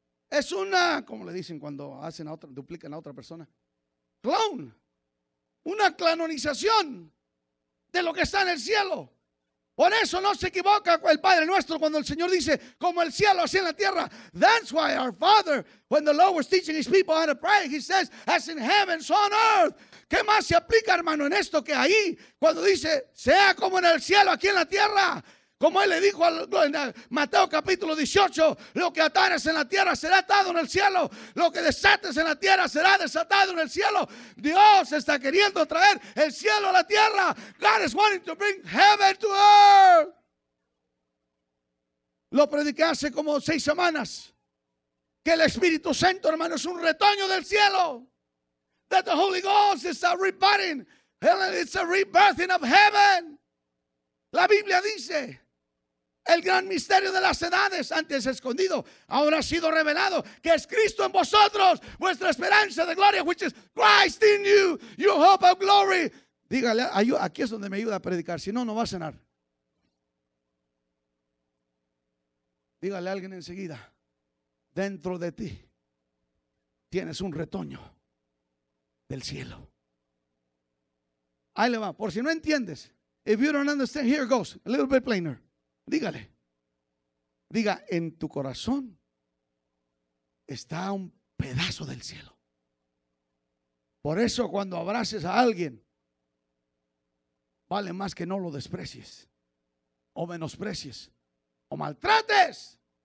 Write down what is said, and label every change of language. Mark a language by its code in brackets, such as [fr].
[es] Es una, como le dicen cuando hacen a otra, duplican a otra persona. Clone. Una clonización de lo que está en el cielo. Por eso no se equivoca el Padre nuestro cuando el Señor dice, como el cielo, así en la tierra. [en] That's why our Father, when the Lord was teaching his people how to pray, he says, as in heaven, so on earth. [es] ¿Qué más se aplica, hermano, en esto que ahí, cuando dice, sea como en el cielo, aquí en la tierra? Como él le dijo en Mateo capítulo 18, lo que atares en la tierra será atado en el cielo. Lo que desates en la tierra será desatado en el cielo. Dios está queriendo traer el cielo a la tierra. [en] God is wanting to bring heaven to earth. [es] Lo prediqué hace como 6 semanas. Que el Espíritu Santo, hermano, es un retoño del cielo. [en] That the Holy Ghost is a rebirthing. It's a rebirthing of heaven. [es] La Biblia dice, el gran misterio de las edades, antes escondido, ahora ha sido revelado, que es Cristo en vosotros, vuestra esperanza de gloria, [en] which is Christ in you, your hope of glory. [es] Dígale, aquí es donde me ayuda a predicar, si no, no va a cenar. Dígale a alguien enseguida, dentro de ti tienes un retoño del cielo. Ahí le va, por si no entiendes. [en] If you don't understand, here goes, a little bit plainer. [es] Dígale. Diga, en tu corazón está un pedazo del cielo. Por eso cuando abraces a alguien, vale más que no lo desprecies, o menosprecies, o maltrates.